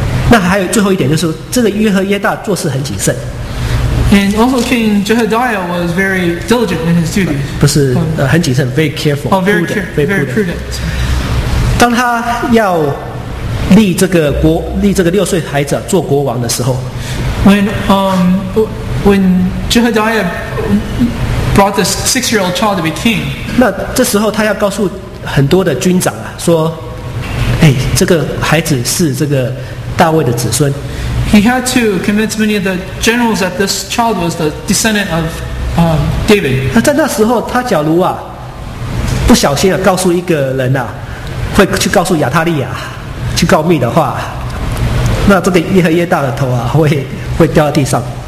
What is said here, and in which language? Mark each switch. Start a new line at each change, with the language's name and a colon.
Chinese: 那还有最后一点就是，这个约和耶大做事很谨慎。
English: And also King Jehadiah was very diligent in his duties.
Chinese: 不是，很谨慎 ，
English: very careful. Very prudent.
Chinese: 当他要立这个六岁孩子做国王的时候
English: ，when Jehadiah brought this six-year-old child to be king.
Chinese: 那这时候他要告诉很多的军长啊，说，哎，这个孩子是这个大卫的子孙。
English: He had to convince many of the generals that this child was the descendant of David.
Chinese: 那在那时候，他假如啊，不小心啊，告诉一个人啊，会去告诉亚塔利亚，去告密的话，那这个耶和耶大的头啊，会掉到地上。